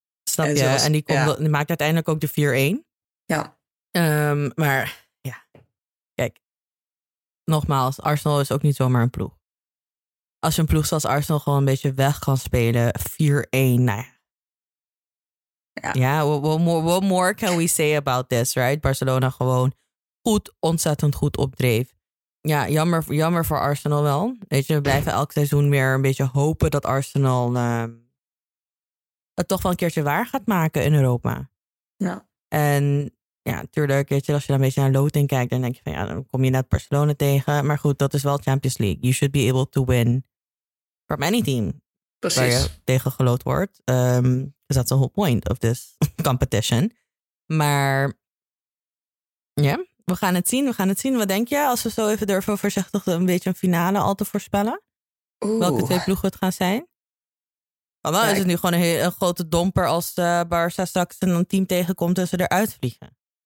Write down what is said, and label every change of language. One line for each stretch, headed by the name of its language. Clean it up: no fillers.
Dutch: Snap je? En die maakt uiteindelijk ook de 4-1. Ja. Maar ja, kijk. Nogmaals, Arsenal is ook niet zomaar een ploeg. Als je een ploeg zoals Arsenal gewoon een beetje weg kan spelen, 4-1, nou ja.
English: What more can we say about this, right?
Dutch: Barcelona gewoon goed, ontzettend goed opdreef. Ja, jammer voor Arsenal wel. Weet je, we blijven elk seizoen weer een beetje hopen dat Arsenal... het toch wel een keertje waar gaat maken in Europa. Ja. En ja, natuurlijk, als je dan een beetje naar loting kijkt, dan denk je van ja, dan kom je net Barcelona tegen. Maar goed, dat is wel Champions League.
English: You should be able to win from any team.
Dutch: Precies. Waar je tegen geloot wordt.
English: Dus that's the whole point of this competition.
Dutch: Maar ja, we gaan het zien. Wat denk je als we zo even durven voorzichtig een beetje een finale al te voorspellen? Oeh. Welke twee ploegen het gaan zijn? Maar wel is het nu gewoon een grote domper als Barca straks een team tegenkomt en ze eruit vliegen.